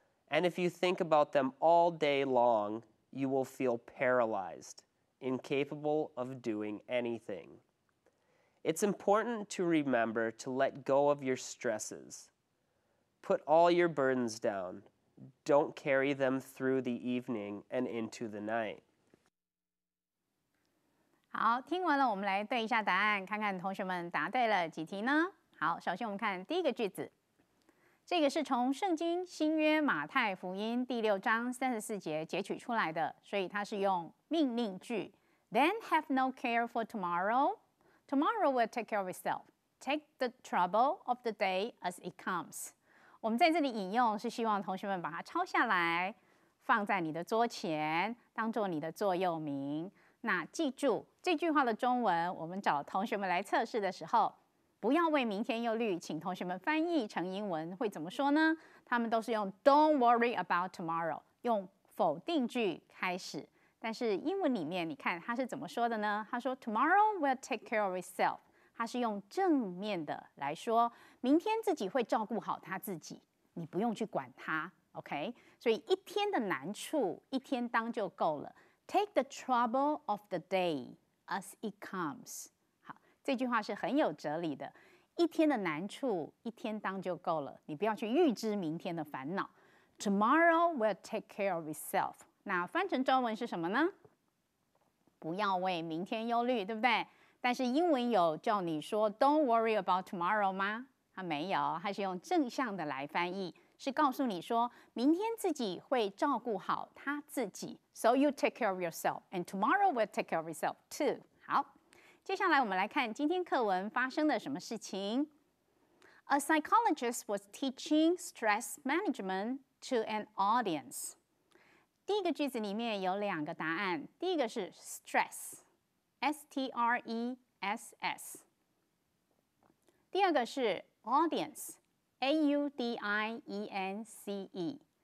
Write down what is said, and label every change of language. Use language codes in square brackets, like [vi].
[en] And if you think about them all day long, you will feel paralyzed, incapable of doing anything. It's important to remember to let go of your stresses. Put all your burdens down. Don't carry them through the evening and into the night. [zh] 好，听完了，我们来对一下答案，看看同学们答对了几题呢？好，首先我们看第一个句子，这个是从圣经新约马太福音第六章34节截取出来的，所以它是用命令句。 [en] Then have no care for tomorrow. Tomorrow will take care of itself. Take the trouble of the day as it comes. [zh] 我们在这里引用是希望同学们把它抄下来，放在你的桌前，当作你的座右铭。那记住这句话的中文，我们找同学们来测试的时候，不要为明天忧虑，请同学们翻译成英文会怎么说呢？他们都是用 [en] Don't worry about tomorrow， [zh] 用否定句开始。但是英文里面你看他是怎么说的呢？他说 [en] Tomorrow will take care of itself， [zh] 它是用正面的来说，明天自己会照顾好他自己，你不用去管他。 OK， 所以一天的难处一天当就够了。 [en] Take the trouble of the day as it comes。 [zh] 好，这句话是很有哲理的。一天的难处一天当就够了，你不要去预知明天的烦恼。 [en] Tomorrow will take care of itself。 [zh] 那翻成中文是什么呢？不要为明天忧虑，对不对？但是英文有叫你说 [en] Don't worry about tomorrow [zh] 吗？它没有，它是用正向的来翻译，是告诉你说明天自己会照顾好他自己。 [en] So you take care of yourself and tomorrow will take care of yourself too。 [zh] 好，接下来我们来看今天课文发生了什么事情。 [en] A psychologist was teaching stress management to an audience。 [zh] 第一个句子里面有两个答案，第一个是 stress， S-T-R-E-S-S， 第二个是 audience， A-U-D-I-E-N-C-E。